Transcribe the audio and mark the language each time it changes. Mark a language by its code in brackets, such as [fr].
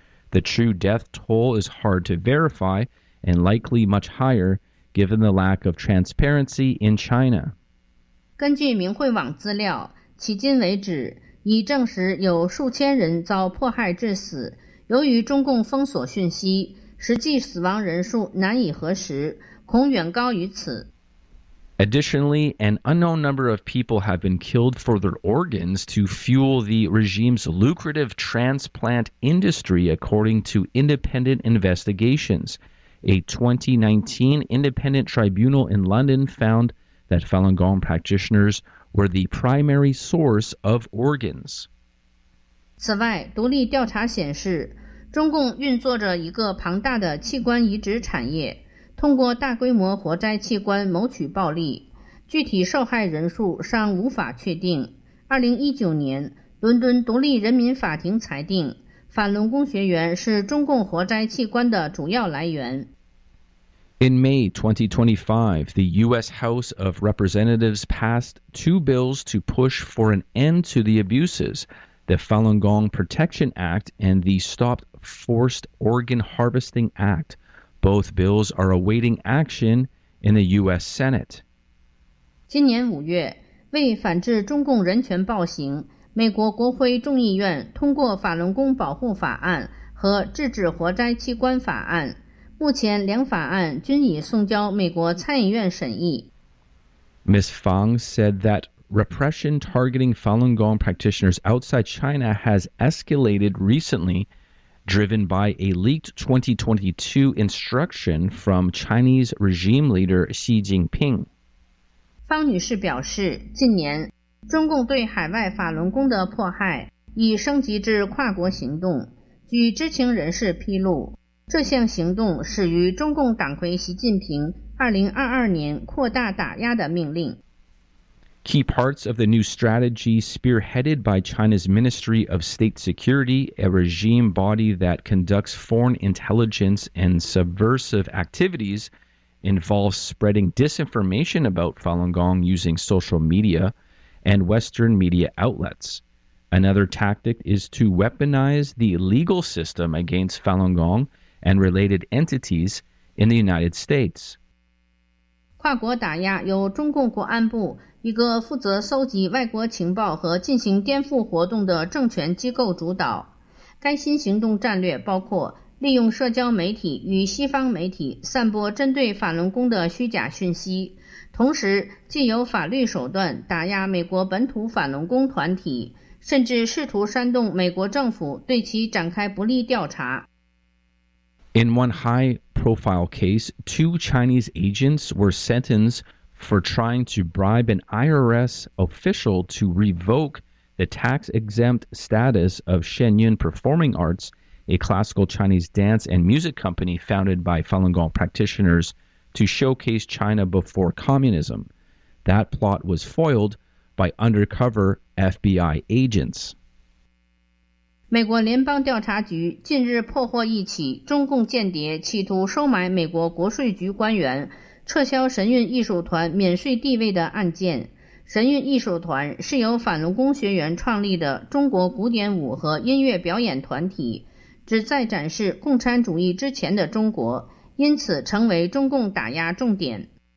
[en] The true death toll is hard to verify and likely much higher, given the lack of transparency in China. [zh] 根据明慧网资料，迄今为止已证实有数千人遭迫害致死，由于中共封锁讯息，实际死亡人数难以核实，恐远高于此。 [en] Additionally, an unknown number of people have been killed for their organs to fuel the regime's lucrative transplant industry, according to independent investigations. A 2019 independent tribunal in London found that Falun Gong practitioners. were the primary source of organs. [zh] 此外，独立调查显示，中共运作着一个庞大的器官移植产业，通过大规模活摘器官谋取暴利。具体受害人数尚无法确定。2019年，伦敦独立人民法庭裁定，法轮功学员是中共活摘器官的主要来源。 [en] In May 2025, the U.S. House of Representatives passed two bills to push for an end to the abuses, the Falun Gong Protection Act and the Stop Forced Organ Harvesting Act. Both bills are awaiting action in the U.S. Senate. [zh] 今年五月，为反制中共人权暴行，美国国会众议院通过《法轮功保护法案》和《制止活摘器官法案》。目前两法案均已送交美国参议院审议。 [en] Ms. Fang said that repression targeting Falun Gong practitioners outside China has escalated recently, driven by a leaked 2022 instruction from Chinese regime leader Xi Jinping. [zh] 方女士表示，近年中共对海外法轮功的迫害已升级至跨国行动。据知情人士披露。这项行动始于中共党魁习近平2022年扩大打压的命令。 [en] Key parts of the new strategy spearheaded by China's Ministry of State Security, a regime body that conducts foreign intelligence and subversive activities, involve spreading disinformation about Falun Gong using social media and Western media outlets. Another tactic is to weaponize the legal system against Falun Gong,and related entities in the United States. [zh] 跨国打压由中共国安部一个负责搜集外国情报和进行颠覆活动的政权机构主导。该新行动战略包括利用社交媒体与西方媒体散播针对法轮功的虚假讯息，同时借由法律手段打压美国本土法轮功团体，甚至试图煽动美国政府对其展开不利调查。 [en] In one high-profile case, two Chinese agents were sentenced for trying to bribe an IRS official to revoke the tax-exempt status of Shenyun Performing Arts, a classical Chinese dance and music company founded by Falun Gong practitioners to showcase China before communism. That plot was foiled by undercover FBI agents. [zh] 美国联邦调查局近日破获一起中共间谍企图收买美国国税局官员、撤销神韵艺术团免税地位的案件。神韵艺术团是由法轮功学员创立的中国古典舞和音乐表演团体，旨在展示共产主义之前的中国，因此成为中共打压重点。